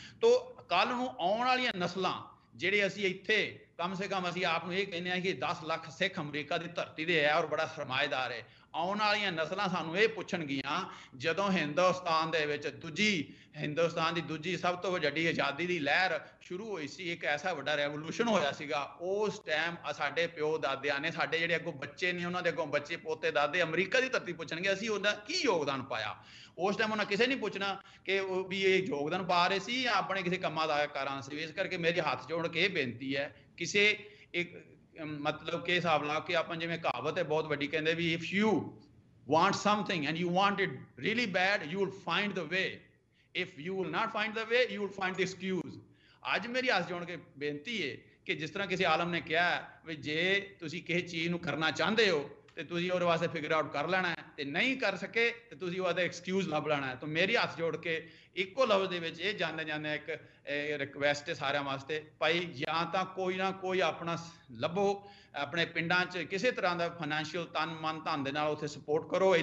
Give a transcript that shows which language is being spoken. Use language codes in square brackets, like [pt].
[pa] ਤੋ ਕੱਲ੍ਹ ਨੂੰ ਆਉਣ ਵਾਲੀਆਂ ਨਸਲਾਂ ਜਿਹੜੇ ਅਸੀਂ ਇੱਥੇ, ਕਮ ਸੇ ਕਮ ਅਸੀਂ ਆਪ ਨੂੰ ਇਹ ਕਹਿੰਦੇ ਹਾਂ ਕਿ 10 ਲੱਖ ਸਿੱਖ ਅਮਰੀਕਾ ਦੀ ਧਰਤੀ ਦੇ ਹੈ ਔਰ ਬੜਾ ਸਰਮਾਏਦਾਰ ਹੈ, ਆਉਣ ਵਾਲੀਆਂ ਨਸਲਾਂ ਸਾਨੂੰ ਇਹ ਪੁੱਛਣਗੀਆਂ ਜਦੋਂ ਹਿੰਦੁਸਤਾਨ ਦੇ ਵਿੱਚ ਹਿੰਦੁਸਤਾਨ ਦੀ ਦੂਜੀ ਸਭ ਤੋਂ ਵੱਡੀ ਆਜ਼ਾਦੀ ਦੀ ਲਹਿਰ ਸ਼ੁਰੂ ਹੋਈ ਸੀ, ਇੱਕ ਐਸਾ ਵੱਡਾ ਰੈਵੋਲੂਸ਼ਨ ਹੋਇਆ ਸੀਗਾ ਉਸ ਟਾਈਮ, ਸਾਡੇ ਪਿਓ ਦਾਦਿਆਂ ਨੇ, ਸਾਡੇ ਜਿਹੜੇ ਅੱਗੋਂ ਬੱਚੇ ਨੇ ਉਹਨਾਂ ਦੇ ਅੱਗੋਂ ਬੱਚੇ ਪੋਤੇ ਦਾਦੇ ਅਮਰੀਕਾ ਦੀ ਧਰਤੀ ਪੁੱਛਣਗੇ ਅਸੀਂ ਉਹਦਾ ਕੀ ਯੋਗਦਾਨ ਪਾਇਆ। ਉਸ ਟਾਈਮ ਉਹਨਾਂ ਕਿਸੇ ਨਹੀਂ ਪੁੱਛਣਾ ਕਿ ਉਹ ਵੀ ਇਹ ਯੋਗਦਾਨ ਪਾ ਰਹੇ ਸੀ ਜਾਂ ਆਪਣੇ ਕਿਸੇ ਕੰਮਾਂ ਦਾ ਕਾਰਨ ਸੀ। ਇਸ ਕਰਕੇ ਮੇਰੀ ਹੱਥ ਜੋੜ ਕੇ ਇਹ ਬੇਨਤੀ ਹੈ ਕਿਸੇ ਇੱਕ, ਮਤਲਬ ਕਿ ਹਿਸਾਬ ਲਾ ਕੇ ਆਪਾਂ ਜਿਵੇਂ ਕਹਾਵਤ ਹੈ ਬਹੁਤ ਵੱਡੀ, ਕਹਿੰਦੇ ਵੀ [en] If you want something and you want it really bad, you will find the way. If you will not find the way, you will find the excuse. [pa] ਅੱਜ ਮੇਰੀ ਆਸ ਜੋੜ ਕੇ ਬੇਨਤੀ ਹੈ ਕਿ ਜਿਸ ਤਰ੍ਹਾਂ ਕਿਸੇ ਆਲਮ ਨੇ ਕਿਹਾ ਵੀ ਜੇ ਤੁਸੀਂ ਕਿਸੇ ਚੀਜ਼ ਨੂੰ ਕਰਨਾ ਚਾਹੁੰਦੇ ਹੋ ਤੇ ਤੁਸੀਂ ਉਹਦੇ ਵਾਸਤੇ ਫਿਗਰ ਆਊਟ ਕਰ ਲੈਣਾ ਹੈ ਤੇ ਨਹੀਂ ਕਰ ਸਕੇ ਤੇ ਤੁਸੀਂ ਉਹਦਾ ਐਕਸਕਿਊਜ਼ ਲੱਭ ਲੈਣਾ ਹੈ। ਤਾਂ ਮੇਰੀ ਹੱਥ ਜੋੜ ਕੇ ਇੱਕੋ ਲਫ਼ਜ਼ ਦੇ ਵਿੱਚ ਇਹ ਜਾਣਿਆ ਜਾਂਦਾ ਇੱਕ ਰਿਕੁਐਸਟ ਹੈ ਸਾਰਿਆਂ ਵਾਸਤੇ, ਭਾਈ ਜਾਂ ਤਾਂ ਕੋਈ ਨਾ ਕੋਈ ਆਪਣਾ ਲੱਭੋ ਆਪਣੇ ਪਿੰਡਾਂ 'ਚ, ਕਿਸੇ ਤਰ੍ਹਾਂ ਦਾ ਫਾਈਨੈਂਸ਼ੀਅਲ ਤਨ ਮਨ ਧਨ ਦੇ ਨਾਲ ਉੱਥੇ ਸਪੋਰਟ ਕਰੋ।